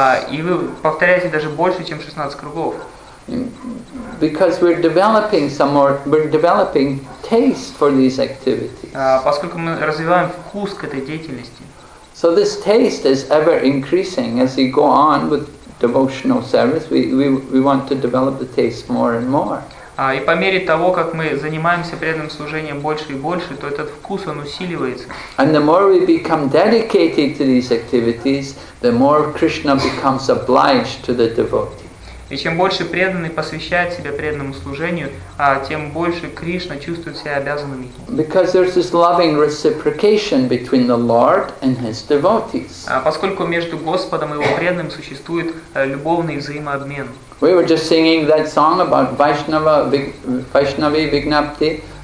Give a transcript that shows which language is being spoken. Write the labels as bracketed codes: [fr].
[ru] И вы повторяете даже больше, чем 16 кругов. [en] Because we're developing some more, we're developing taste for these activities. [ru] Поскольку мы развиваем вкус к этой деятельности. [en] So this taste is ever increasing as you go on with devotional service. We want to develop the taste more and more. [ru] И по мере того, как мы занимаемся преданным служением больше и больше, то этот вкус, он усиливается. [en] And the more we become dedicated to these activities, the more Krishna becomes obliged to the devotee. [ru] И чем больше преданный посвящает себя преданному служению, тем больше Кришна чувствует себя обязанным ему. [en] Because there's this loving reciprocation between the Lord and his devotees. [ru] Поскольку между Господом и его преданным существует любовный взаимообмен. [en] We were just singing that song about Vaishnavi Vignapti.